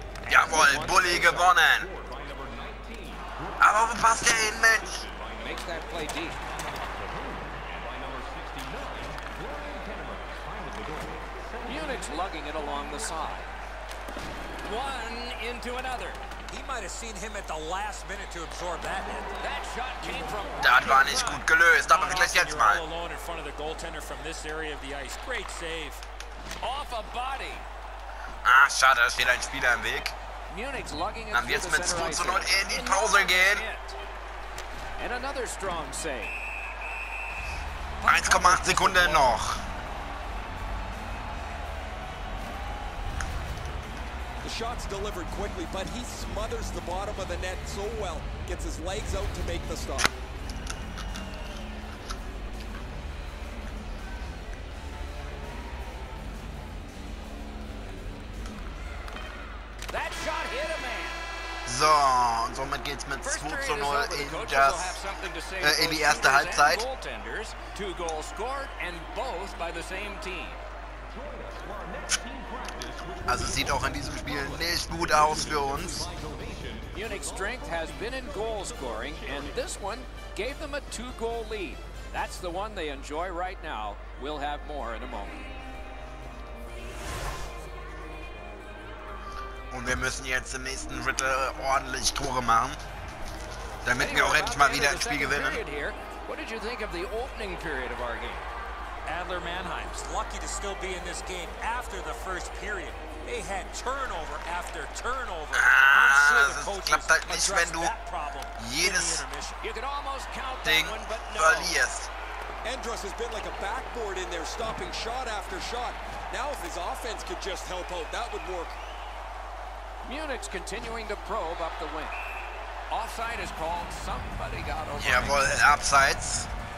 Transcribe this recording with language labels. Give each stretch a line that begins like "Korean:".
German: Jawohl, Bulli gewonnen. Aber wo passt der hin, Mensch?
English: Munich's lugging it along the side. One into another. He might have seen him at the last minute to absorb that hit. That shot came from...
German: Das war nicht gut gelöst, aber vielleicht jetzt mal.
English: All alone in front of the goaltender from this area of the ice. Great save. Off a body.
German: Ah, schade, da steht ein Spieler im Weg.
English: Munich's lugging it.
German: Dann wird's mit 2-0 in die Pause gehen.
English: And another strong save.
German: 1,8 Sekunden noch.
English: The shot's delivered quickly, but he smothers the bottom of the net so well. Gets his legs out to make the stop. That shot hit a man.
German: So, und somit geht's mit 2-0 in das in die erste Halbzeit.
English: Two goals scored and both by the same team.
German: Also sieht auch in diesem Spiel nicht gut aus für uns.
English: Munich's strength has been in goal scoring and this one gave them a two goal lead. That's the one they enjoy right now. We'll have more in a moment.
German: Und wir müssen jetzt im nächsten Drittel ordentlich Tore machen, damit wir auch endlich mal wieder ein Spiel gewinnen.
English: What did you think of the opening period of our game? Adler Mannheim's lucky to still be in this game after the first period. They had turnover after turnover.
German: Klappt halt nicht, wenn du jedes Ding verlierst.
English: Andrus has been like a backboard in there, stopping shot after shot. Now if his offense could just help out, that would work. Munich's continuing to probe up the wing. Offside is called. Somebody got over.
German: Jawohl, abseits.